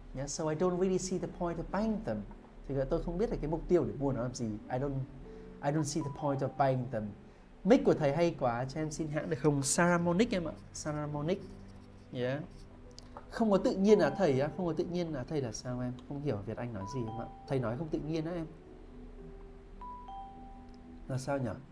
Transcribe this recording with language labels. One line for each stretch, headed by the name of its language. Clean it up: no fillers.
English: Yeah, so I don't really see the point of buying them.
Vietnamese: Thì tôi không biết là cái mục tiêu để mua nó làm gì.
English: I don't see the point of buying them.
Vietnamese: Mic của thầy hay quá, cho em xin hãng được không? Saramonic em ạ. Saramonic. Yeah. Không có tự nhiên à thầy á? Không có tự nhiên à thầy là sao em? Không hiểu Việt Anh nói gì em ạ. Thầy nói không tự nhiên á em. Là sao nhỉ?